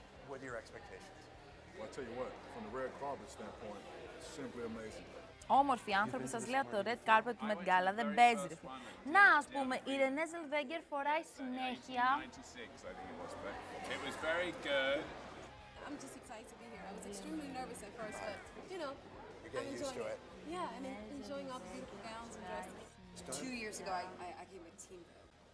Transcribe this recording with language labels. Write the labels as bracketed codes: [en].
[en] What are your expectations? Well, I'll tell you what, from the red carpet standpoint, simply amazing. [el] Όμορφοι άνθρωποι, σας λέω το red carpet του Met Gala, δεν παίζει. Να, ας πούμε, η Ρενέ Ζελβέγκερ φοράει συνέχεια. [en] It was very good. I'm just excited to be here. I was extremely nervous at first, but, you know, you get used to it. Yeah, I mean, enjoying all the beautiful gowns and dresses. 2 years ago, I came with Team Vogue.